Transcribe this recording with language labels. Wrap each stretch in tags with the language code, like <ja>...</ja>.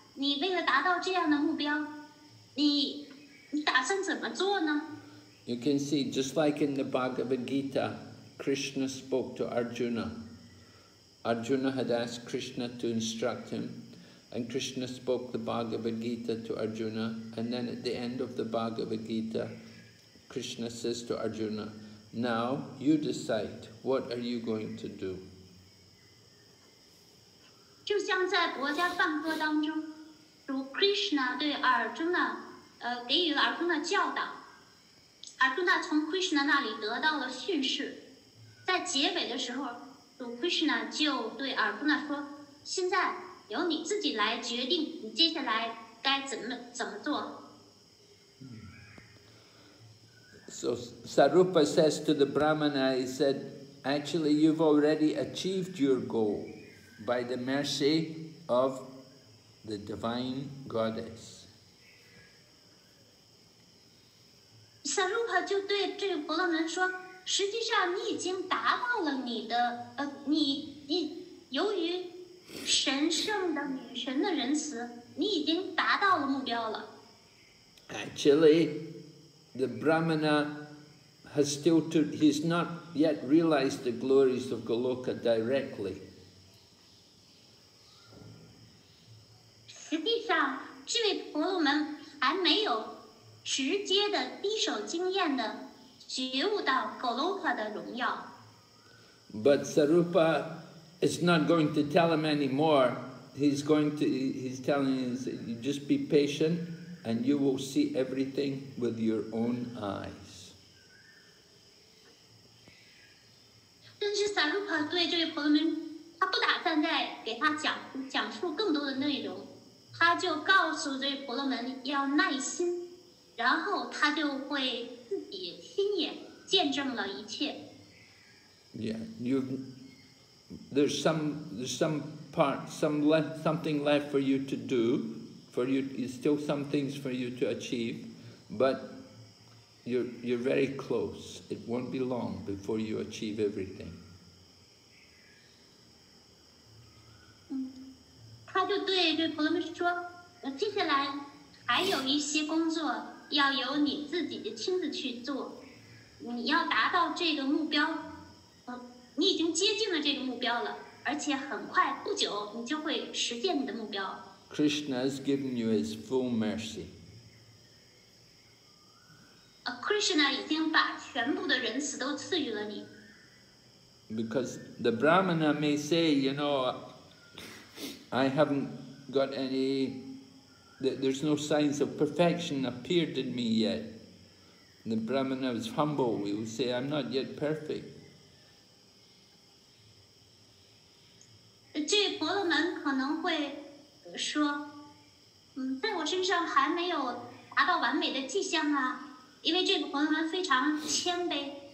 <zh>你为了达到这样的目标，你打算怎么做呢？</zh> <en>You can see, just like in the Bhagavad Gita, Krishna spoke to Arjuna. Arjuna had asked Krishna to instruct him, and Krishna spoke the Bhagavad Gita to Arjuna, and then at the end of the Bhagavad Gita, Krishna says to Arjuna, "Now you decide, what are you going to do?"</en> <zh>就像在国家梵歌当中，如 Krishna 对 Arjuna 给予 Arjuna 教导， Arjuna 从 Krishna 那里得到了训示，在结尾的时候，如 Krishna 就对 Arjuna 说，现在由你自己来决定你接下来该怎么做。</zh> <en>So Sarupa says to the Brahmana, he said, actually you've already achieved your goal by the mercy of the divine goddess.</en> <zh>Sarupa 就对这个婆罗门说，实际上你已经达到了你的你由于神圣的女神的仁慈，你已经达到了目标了。</zh> <en>Actually, the Brahmana has still to, he's not yet realized the glories of Goloka directly.</en> <zh>实际上，这位婆罗门还没有直接的、第一手经验的觉悟到 Goloka 的荣耀。</zh> <en>But Sarupa is not going to tell him anymore. He's telling him, "You just be patient, and you will see everything with your own eyes."</en> <zh>但是 Sarupa 对这位婆罗门，他不打算再给他讲述更多的内容。他就告诉这婆罗门要耐心，然后他就会自己亲眼见证了一切。</zh> <en>Yeah, you. There's something left for you to do. For you, is still some things for you to achieve, but you're very close. It won't be long before you achieve everything.</en> <zh>他就对这婆罗门说，接下来还有一些工作要由你自己亲自去做，你要达到这个目标，你已经接近了这个目标了，而且很快不久你就会实现你的目标。</zh> <en>Krishna has given you his full mercy.</en> <zh>Krishna 已经把全部的仁慈都赐予了你。</zh> <en>Because the Brahmana may say, you know, I haven't got any, there's no signs of perfection appeared in me yet. The Brahmana is humble, he will say, I'm not yet perfect.</en> <zh>这婆罗门可能会说，在我身上还没有达到完美的迹象啊，因为这个婆罗门非常谦卑。</zh>